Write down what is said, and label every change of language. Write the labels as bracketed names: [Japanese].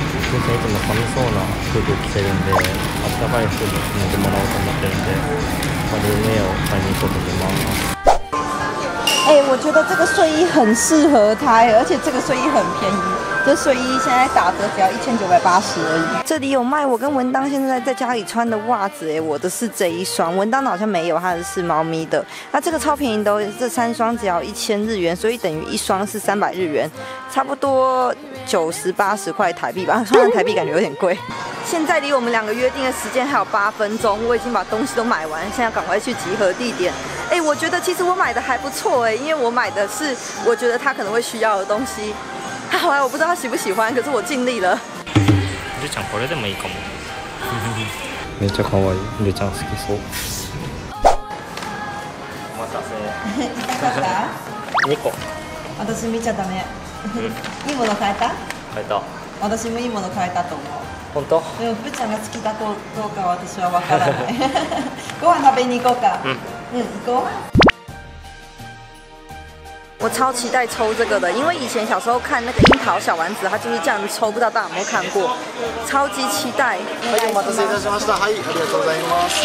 [Japanese] いつも寒そうな服を着てるんで、暖かい服を着てもらおうと思ってるんで、ルームウェアを買いに行こうと思います。 [Chinese] 欸，我觉得这个睡衣很适合他，而且这个睡衣很便宜，这睡衣现在打折只要1980而已。这里有卖我跟文当现在在家里穿的袜子，欸，我的是这一双，文当好像没有，他的是猫咪的。那这个超便宜的，这三双只要1000日元，所以等于一双是300日元，差不多90-80块台币吧，算台币感觉有点贵。现在离我们两个约定的时间还有8分钟，我已经把东西都买完，现在赶快去集合地点。欸，我觉得其实我买的还不错，欸，因为我买的是我觉得他可能会需要的东西。后来我不知道他喜不喜欢，可是我尽力了。 [Japanese] ルちゃんこれでもいいかも。めっちゃ可愛い。ルちゃん好きそう。お待たせ。痛かった？ 2個。私見ちゃダメ。いいもの買えた？買えた。私もいいもの買えたと思う。本当？でもルちゃんが好きだとどうか私は分からない。ご飯食べに行こうか。うん。 [Chinese] 我超期待抽这个的，因为以前小时候看那个樱桃小丸子，它就是这样抽，不知道大家有没有看过，超级期待。 [Japanese] はい、お待たせいたしました。はい、ありがとうございます。